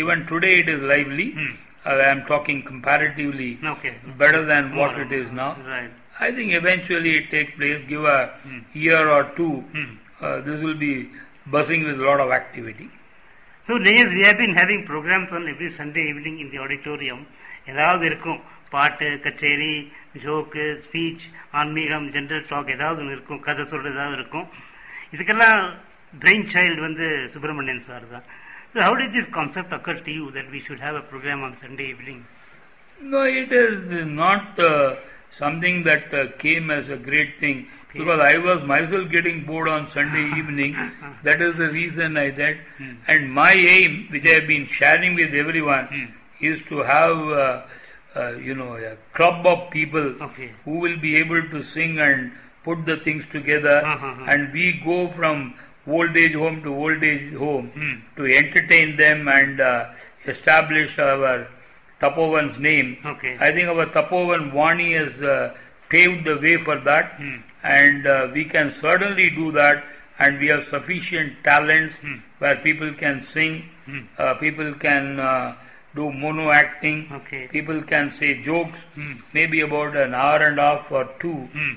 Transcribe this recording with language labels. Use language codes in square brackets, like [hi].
[en] Even today it is lively. I am talking comparatively better than what it is now. Right. I think eventually it takes place, give a year or two, this will be buzzing with a lot of activity. So, Nayas, we have been having programs on every Sunday evening in the auditorium. [ta] எதாவது இருக்கும், பாட்டு, கச்சேரி, joke, speech, ஆன்மீகம், general talk, ஏதாவது ஒன்று இருக்கும், கதை சொல்கிறது ஏதாவது இருக்கும். இதுக்கெல்லாம் பிரெயின் சைல்டு வந்து சுப்பிரமணியன் சார் தான். [en] So how did this concept occur to you that we should have a programme on Sunday evening? No, it is not something that came as a great thing, because I was myself getting bored on Sunday evening. That is the reason I that and my aim which I been sharing with everyone is to have a club of people who will be able to sing and put the things together, and we go from old age home to old age home to entertain them and establish our Tapovan's name. Okay. I think our Tapovan Vani has paved the way for that, and we can certainly do that, and we have sufficient talents where people can sing, people can do mono acting, people can say jokes, maybe about an hour and a half or two.